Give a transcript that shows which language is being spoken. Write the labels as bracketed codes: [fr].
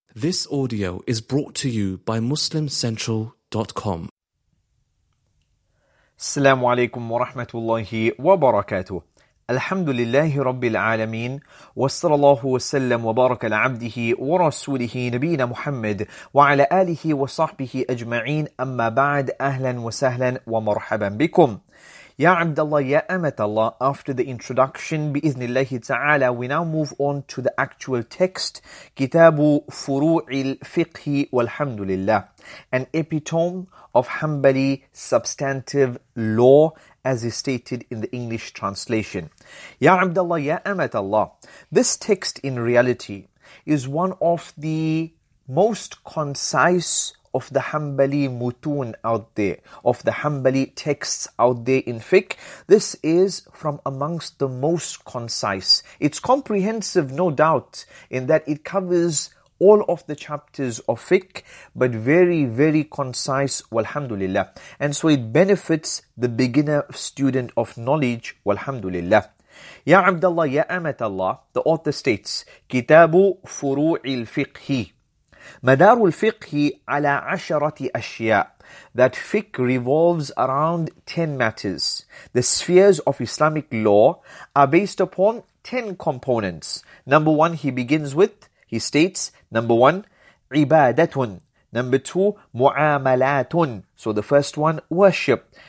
[en] This audio is brought to you by MuslimCentral.com. [ar] السلام عليكم ورحمة الله وبركاته. الحمد لله رب العالمين، وصلى الله وسلم وبارك على عبده ورسوله نبينا محمد وعلى آله وصحبه أجمعين. أما بعد، أهلا وسهلا ومرحبا بكم. [en] Ya Abdullah, Ya Amatullah, after the introduction, bi'iznillahi ta'ala, we now move on to the actual text, Kitabu Furu'il Fiqhi walhamdulillah, an epitome of Hanbali substantive law, as is stated in the English translation. Ya Abdullah, Ya Amatullah, this text in reality is one of the most concise of the Hanbali mutun out there, of the Hanbali texts out there in fiqh. This is from amongst the most concise. It's comprehensive, no doubt, in that it covers all of the chapters of fiqh, but very, very concise, walhamdulillah. And so it benefits the beginner student of knowledge, walhamdulillah. Ya Abdullah, Ya Amatullah, the author states, Kitabu Furu'il Fiqhi. [ar] مدار الفقه على عشرة أشياء. [en] That fiqh revolves around 10 matters. The spheres of Islamic law are based upon 10 components. Number one, he begins with, he states, number one, عبادة. Number two, معاملات. So the first one, worship.